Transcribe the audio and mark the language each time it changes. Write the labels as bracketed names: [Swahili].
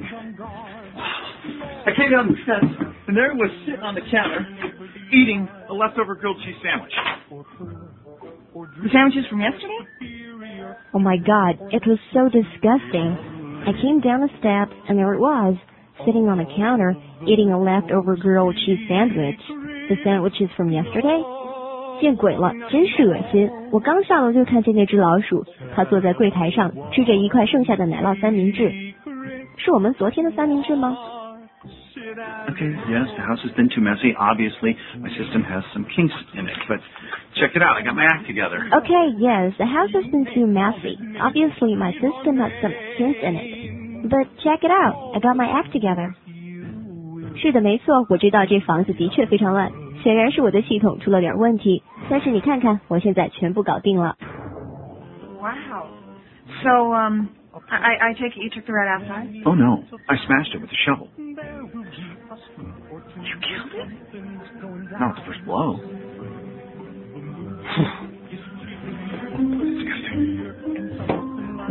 [English] I came down the steps, and there he was sitting on the counter, eating a leftover grilled cheese sandwich. The sandwiches from yesterday? Oh my God, it was so disgusting. I came down the steps, and there it was, sitting on the counter, eating a leftover grilled cheese sandwich. The sandwiches from yesterday? [Chinese] 见鬼了，真是恶心。我刚下楼就看见那只老鼠，它坐在柜台上吃着一块剩下的奶酪三明治。是我们昨天的三明治吗？ [English] Okay, yes, the house has been too messy. Obviously, my system has some kinks in it, but check it out, I got my act together. Okay, yes, the house has been too messy. Obviously, my system has some kinks in it, but check it out, I got my act together. [Chinese] 是的，没错，我知道这房子的确非常乱，显然是我的系统出了点问题，但是你看看，我现在全部搞定了。 [English] Wow. So, I take it you took the rat outside? Oh no, I smashed it with a shovel. You killed it? Not with the first blow. Disgusting.